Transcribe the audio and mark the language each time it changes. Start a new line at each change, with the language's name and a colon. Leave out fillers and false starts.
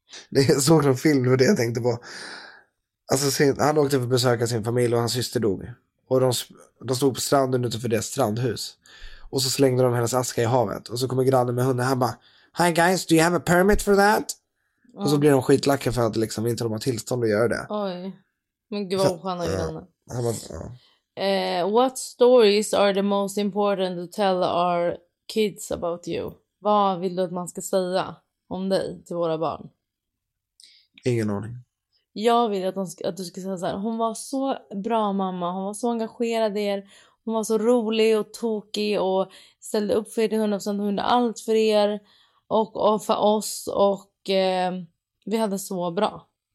Swedish: Det är såg en film för det jag tänkte på. Alltså han åkte för att besöka sin familj och hans syster dog. Och de stod på stranden utanför deras strandhus. Och så slängde de hennes aska i havet. Och så kommer grannen med hunden, han bara,
English: "Hi guys, do you have a permit for that?"
Swedish: Mm. Och så blir de skitlacka för att liksom inte de har tillstånd att göra det. Oj. Men gud vad osköna grannen. Ja.
English: What stories are the most important to tell our kids about you?
Swedish: Vad vill du att man ska säga om dig till våra barn? Ingen aning. Jag vill att du ska säga så här: hon var så bra mamma, hon var så engagerad i er, hon var så rolig och tokig och ställde upp för er 100%, hon gjorde allt för er och för oss och vi hade så bra.